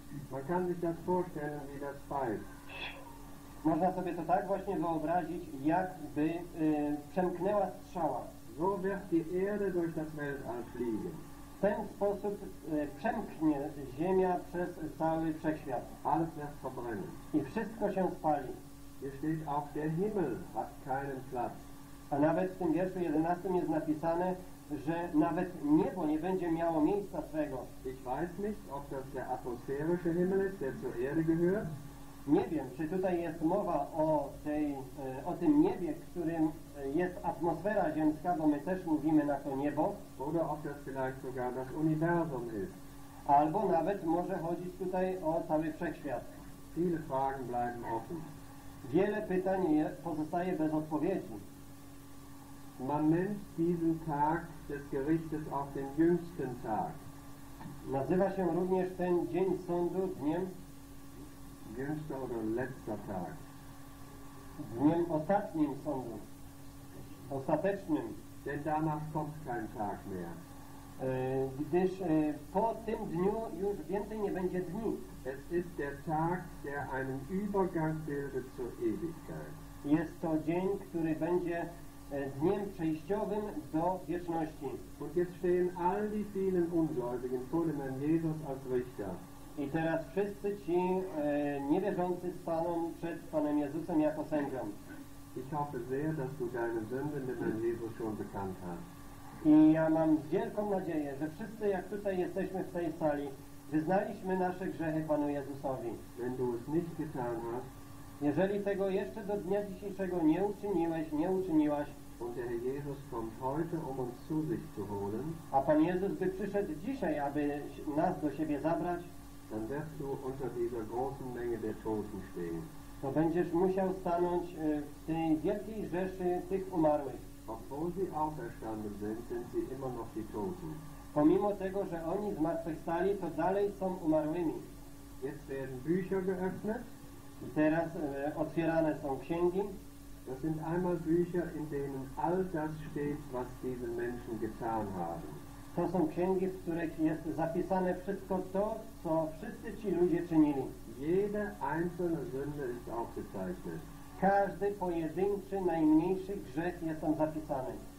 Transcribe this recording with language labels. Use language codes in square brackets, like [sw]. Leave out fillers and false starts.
[de] Man kann sich das vorstellen, wie das Pfeil. [pl] Można sobie to tak właśnie wyobrazić, jakby przemknęła strzała. [de] So wird die Erde durch das Weltall fliegen. [pl] W ten sposób przemknie ziemia przez cały wszechświat. [de] Alles wird verbrennen. [pl] I wszystko się spali. [de] Hier steht auch der Himmel hat keinen Platz. [pl] A nawet w tym wierszu 11 jest napisane, że nawet niebo nie będzie miało miejsca swego. [de] Ich weiß nicht, ob das der atmosphärische Himmel ist, der zur Erde gehört. [pl] Nie wiem, czy tutaj jest mowa o tym niebie, którym jest atmosfera ziemska, bo my też mówimy na to niebo. [de] Oder ob das vielleicht sogar das Universum ist. [pl] Albo nawet może chodzić tutaj o cały wszechświat. [de] Viele Fragen bleiben offen. [pl] Wiele pytań pozostaje bez odpowiedzi. [de] Man nennt diesen Tag des Gerichtes auch den jüngsten Tag. [pl] Nazywa się również ten dzień sądu dniem. [de] Jüngster oder letzter Tag. [pl] Dniem ostatnim sądu. Ostatecznym. [de] Denn danach kommt kein Tag mehr. [pl] Gdyż po tym dniu już więcej nie będzie dni. [de] Es ist der Tag, der einen Übergang bildet zur Ewigkeit. [pl] Jest to dzień, który będzie dniem przejściowym do wieczności. [de] Und jetzt stehen all die vielen Ungläubigen vor dem Herrn Jesus als Richter. [pl] I teraz wszyscy ci niewierzący staną przed Panem Jezusem jako sędzią. [de] Ich hoffe sehr, dass du deine Sünde mit deinem Jesus schon bekannt hast. [pl] I ja mam wielką nadzieję, że wszyscy, jak tutaj jesteśmy w tej sali, Wyznaliśmy nasze grzechy Panu Jezusowi. [de] Wenn du es nicht getan hast, [pl] jeżeli tego jeszcze do dnia dzisiejszego nie uczyniłeś, nie uczyniłaś, [de] und der Herr Jesus kommt heute, um uns zu sich zu holen, [pl] a Pan Jezus by przyszedł dzisiaj, aby nas do siebie zabrać, [de] dann wirst du unter dieser großen Menge der Toten stehen. [pl] To będziesz musiał stanąć w tej wielkiej rzeszy tych umarłych. [de] Obwohl sie auferstanden sind, sind sie immer noch die Toten. [pl] Pomimo tego, że oni zmartwychwstali, to dalej są umarłymi. [de] Jetzt werden Bücher geöffnet. [pl] I teraz otwierane są księgi. [de] Das sind einmal Bücher, in denen all das steht, was diese Menschen getan haben. [pl] To są księgi, w których jest zapisane wszystko to, co wszyscy ci ludzie czynili. [de] Jede einzelne Sünde ist aufgezeichnet. [pl] Każdy pojedynczy, najmniejszy grzech jest tam zapisany.